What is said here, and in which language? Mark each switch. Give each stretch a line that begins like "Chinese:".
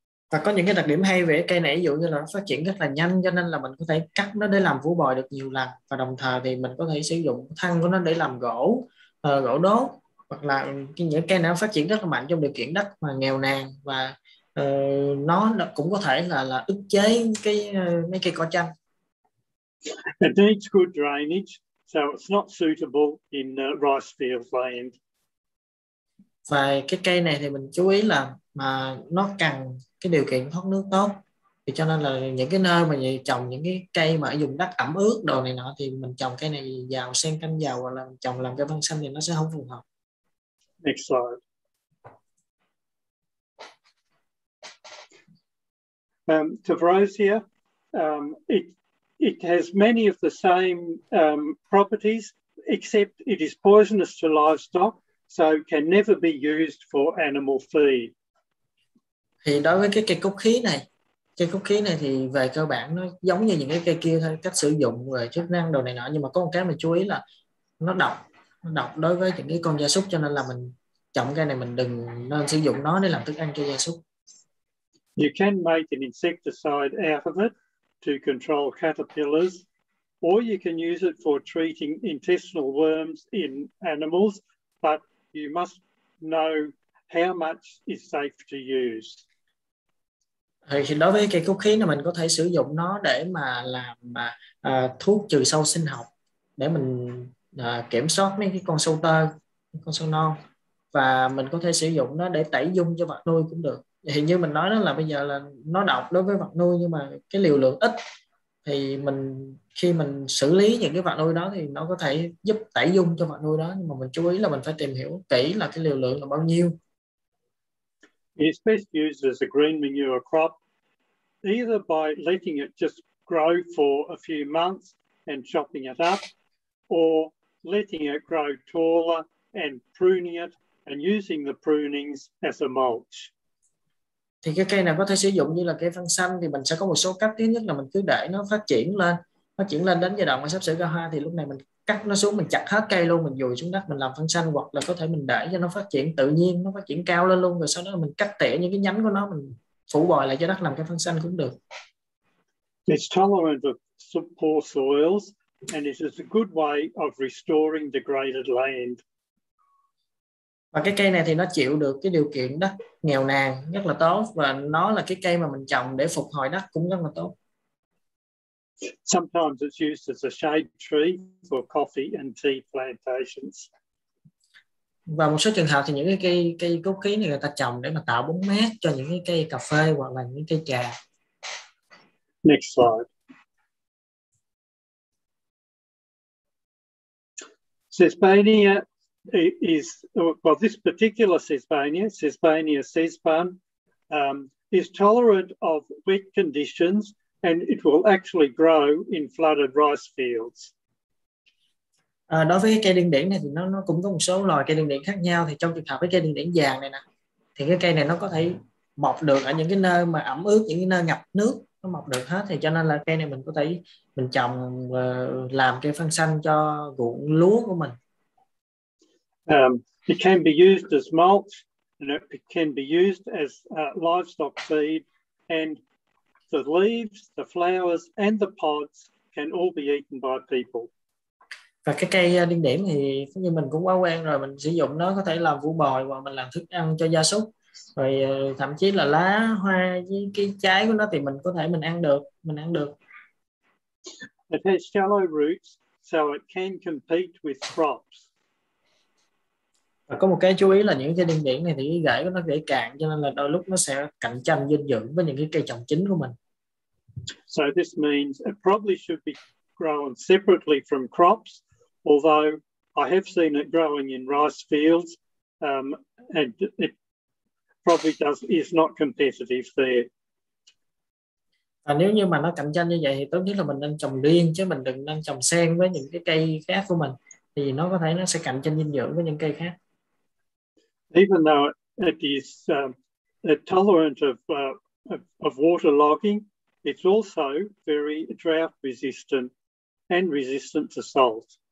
Vietnamese: Và có những cái đặc điểm hay về cây này, ví dụ như là nó phát triển rất là nhanh, cho nên là mình có thể cắt nó để làm vũ bòi được nhiều lần, và đồng thời thì mình có thể sử dụng thân của nó để làm gỗ, gỗ đốt, hoặc là những cây nào phát triển rất là mạnh trong điều kiện đất mà nghèo nàn, và nó cũng có thể là ức chế cái mấy cây cỏ tranh.
English: It needs good drainage, so it's not suitable in rice field land.
Vietnamese: Và cái cây này thì mình chú ý là mà nó cần cái điều kiện thoát nước tốt, thì cho nên là những cái nơi mà trồng những cái cây mà dùng đất ẩm ướt đồ này nọ, thì mình trồng cây này vào xen canh vào, hoặc là trồng làm cây phân xanh, thì nó sẽ không phù hợp.
English: Next slide. Tavrosia, it has many of the same properties, except it is poisonous to livestock, so can never be used for animal feed.
Vietnamese: Thì đối với cái cây cúc khí này thì về cơ bản nó giống như những cái cây kia thôi, cách sử dụng về chức năng đồ này nọ, nhưng mà có một cái mình chú ý là nó độc đối với những cái con gia súc, cho nên là mình trồng cây này mình đừng nên sử dụng nó để làm thức ăn cho gia súc.
English: You can make an insecticide out of it to control caterpillars, or you can use it for treating intestinal worms in animals, but you must know how much is safe to use.
Vietnamese: Thì đối với cây cúc khí này, mình có thể sử dụng nó để mà làm thuốc trừ sâu sinh học, để mình kiểm soát mấy cái con sâu tơ, con sâu non, và mình có thể sử dụng nó để tẩy dung cho vật nuôi cũng được. Hình như mình nói đó là bây giờ là nó độc đối với vật nuôi, nhưng mà cái liều lượng ít, thì mình khi mình xử lý những cái vật nuôi đó thì nó có thể giúp tẩy dung cho vật nuôi đó, nhưng mà mình chú ý là mình phải tìm hiểu kỹ là cái liều lượng là bao nhiêu.
English: It's best used as a green manure crop, either by letting it just grow for a few months and chopping it up, or letting it grow taller and pruning it and using the prunings as a mulch.
Vietnamese: Thì cái cây này có thể sử dụng như là cây phân xanh, thì mình sẽ có một số cách. Thứ nhất là mình cứ để nó phát triển lên đến giai đoạn mà sắp sửa ra hoa, thì lúc này mình cắt nó xuống, mình chặt hết cây luôn, mình dùi xuống đất, mình làm phân xanh, hoặc là có thể mình để cho nó phát triển tự nhiên, nó phát triển cao lên luôn, rồi sau đó mình cắt tỉa những cái nhánh của nó, mình phủ bồi lại cho đất làm cây phân xanh cũng được.
English: It's tolerant of poor soils and it is a good way of restoring degraded land.
Vietnamese: Và cái cây này thì nó chịu được cái điều kiện đất nghèo nàn rất là tốt, và nó là cái cây mà mình trồng để phục hồi đất cũng rất là tốt.
English: Sometimes it's used as a shade tree for coffee and tea plantations.
Vietnamese: Và một số trường hợp thì những cái cây cây cốc khí này người ta trồng để mà tạo bóng mát cho những cái cây cà phê hoặc là những cây trà.
English: Next slide. Sesbania is, well, this particular Sesbania, Sesbania sesbum, is tolerant of wet conditions and it will actually grow in flooded rice fields.
Vietnamese: Đối với cây điên điển này thì nó cũng có một số loài cây điên điển khác nhau, thì trong trường hợp với cây điên điển vàng này nè thì cái cây này nó có thể mọc được ở những cái nơi mà ẩm ướt, những cái nơi ngập nước nó mọc được hết, thì cho nên là cây này mình có thể mình trồng làm cây phân xanh cho ruộng lúa của mình.
English: It can be used as mulch and it can be used as livestock feed, and the leaves, the flowers and the pods can all be eaten by people.
Vietnamese: Và cái cây điên điển thì cũng như mình cũng quá quen rồi, mình sử dụng nó có thể làm vũ bòi hoặc mình làm thức ăn cho gia súc, rồi thậm chí là lá hoa với cái trái của nó thì mình có thể mình ăn được.
English: It has shallow roots so it can compete with crops.
Vietnamese: Và có một cái chú ý là những cây điên điển này thì cái rễ của nó dễ cạn, cho nên là đôi lúc nó sẽ cạnh tranh dinh dưỡng với những cái cây trồng chính của mình.
English: So this means it probably should be grown separately from crops, although I have seen it growing in rice fields, and it probably does is not competitive there.
Vietnamese: Và nếu như mà nó cạnh tranh như vậy thì tốt nhất là mình nên trồng riêng chứ mình đừng nên trồng xen với những cái cây khác của mình, thì nó có thể nó sẽ cạnh tranh dinh dưỡng với những cây khác.
English: Even though it is tolerant of water logging, it's also very drought resistant and resistant to salt.